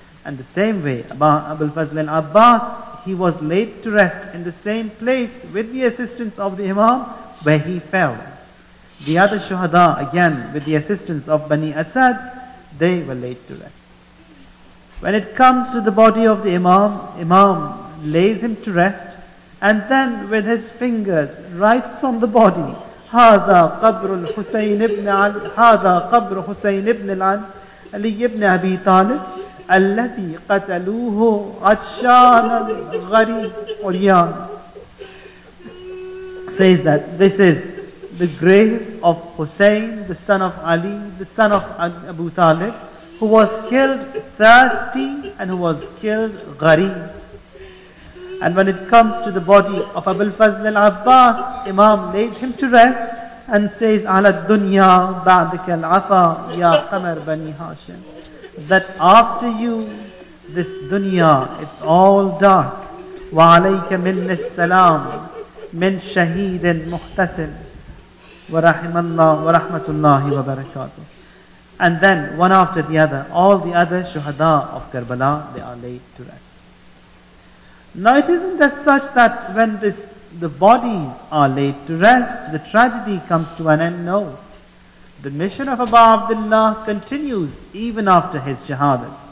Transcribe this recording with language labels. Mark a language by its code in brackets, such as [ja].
[en] And the same way, Abul Fazl al-Abbas, he was laid to rest in the same place with the assistance of the imam, where he fell. The other shuhada, again, with the assistance of Bani Asad, they were laid to rest. When it comes to the body of the imam, imam lays him to rest, and then with his fingers writes on the body [ar] هذا قبر الحسين ابن علي هذا قبر حسين ابن علي ابن ابي طالب الذي قتلوه عطشان الغريب عريان. [en] Says that this is the grave of Hussein, the son of Ali, the son of Abu Talib, who was killed thirsty and who was killed gharib. And when it comes to the body of Abu al-Fazl al-Abbas, Imam lays him to rest and says, [ar] "Ala dunya ba'dika al-afa ya qamar bani Hashim," [en] that after you, this dunya, it's all dark. [ar] Wa alayka minna as-salam من شهيد مختسل ورحم الله ورحمة الله وبركاته. [en] And then one after the other, all the other shuhada of Karbala, they are laid to rest. Now it isn't as such that when this the bodies are laid to rest, the tragedy comes to an end. No, the mission of Abu Abdullah continues even after his shahada.